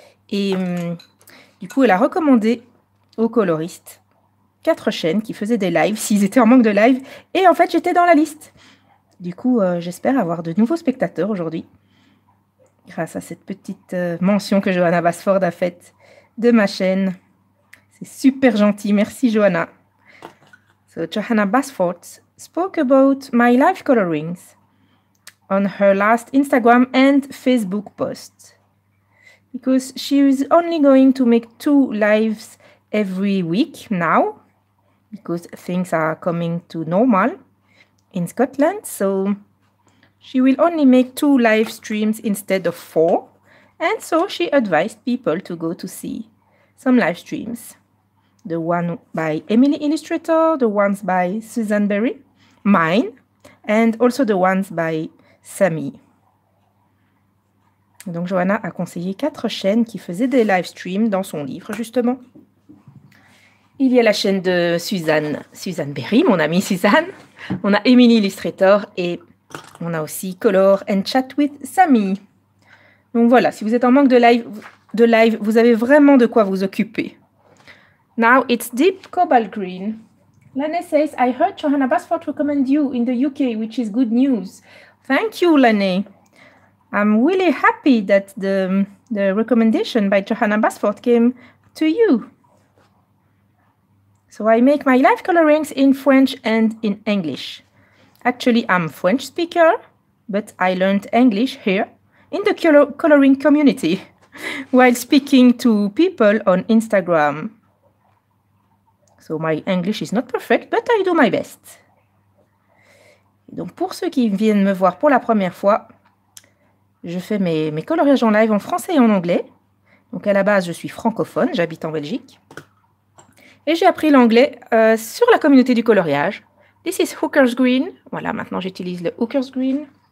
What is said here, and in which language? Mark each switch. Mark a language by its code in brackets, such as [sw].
[fr] Et du coup, elle a recommandé aux coloristes 4 chaînes qui faisaient des lives, s'ils étaient en manque de lives. Et en fait, j'étais dans la liste. Du coup, j'espère avoir de nouveaux spectateurs aujourd'hui, grâce à cette petite mention que Johanna Basford a faite de ma chaîne. C'est super gentil, merci Johanna. [en] So, Johanna Basford spoke about my live colorings on her last Instagram and Facebook post. Because she is only going to make 2 lives every week now, because things are coming to normal in Scotland. So she will only make 2 live streams instead of 4. And so she advised people to go to see some live streams. The one by Emily Illustrator, the ones by Susan Berry, mine, and also the ones by Sammy. [fr] Donc Johanna a conseillé 4 chaînes qui faisaient des live streams dans son livre, justement. Il y a la chaîne de Susan Berry, mon amie Suzanne. On a Emily Illustrator et on a aussi Color and Chat with Sammy. Donc voilà, si vous êtes en manque de live, vous avez vraiment de quoi vous occuper. [en] Now it's deep cobalt green. Lanne says, I heard Johanna Basford recommend you in the UK, which is good news. Thank you, Lanne. I'm really happy that the recommendation by Johanna Basford came to you. So I make my live colorings in French and in English. Actually, I'm a French speaker, but I learned English here in the coloring community while speaking to people on Instagram. So my English is not perfect, but I do my best. [fr] Donc pour ceux qui viennent me voir pour la première fois, je fais mes coloriages en live en français et en anglais. Donc à la base, je suis francophone, j'habite en Belgique. Et j'ai appris l'anglais sur la communauté du coloriage. [en] This is Hooker's Green. [fr] Voilà, maintenant j'utilise le Hooker's Green.